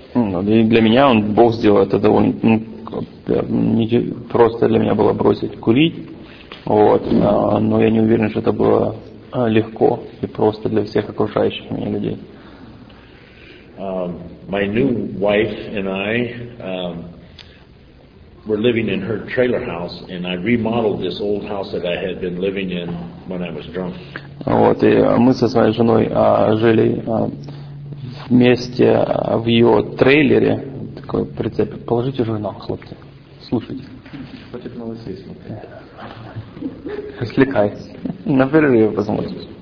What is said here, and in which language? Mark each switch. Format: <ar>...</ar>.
<ru>Для меня он Бог сделал это довольно не просто для меня было бросить курить. Вот, но я не уверен, что это было легко и просто для всех окружающих меня людей.</ru> <en>My new wife and I were living in her trailer house, and I remodeled this old house that I had been living in when I was drunk.</en> <ru>Вот, и мы со своей женой жили вместе в ее трейлере. Такой прицеп. Положите журнал, хлопцы. Слушайте. Хватит новостей смотреть. Развлекайся. На перерыве посмотрим.</ru>